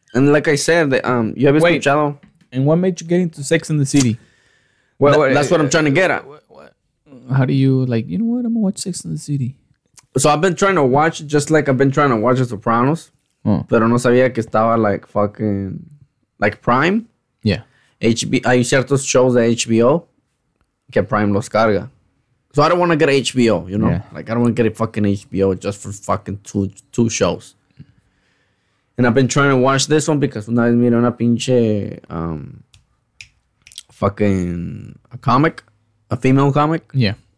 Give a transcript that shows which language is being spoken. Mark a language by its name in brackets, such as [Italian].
[English] And like I said, you have a channel. And what made you get into Sex and the City? Well, that's what I'm trying to get at. How do you, like, you know what? I'm going to watch Sex and the City. So I've been trying to watch, just like I've been trying to watch The Sopranos. Oh. [Spanish] Pero no sabía que estaba, [English] like, fucking, like, [Spanish] Prime. [English] Yeah. [Spanish] Hay ciertos shows de HBO que Prime los carga. [English] So I don't want to get HBO, you know? Yeah. Like, I don't want to get a fucking HBO just for fucking two shows. And I've been trying to watch this one because [Spanish] una vez miré una pinche [English] fucking a comic. A female comic? Yeah.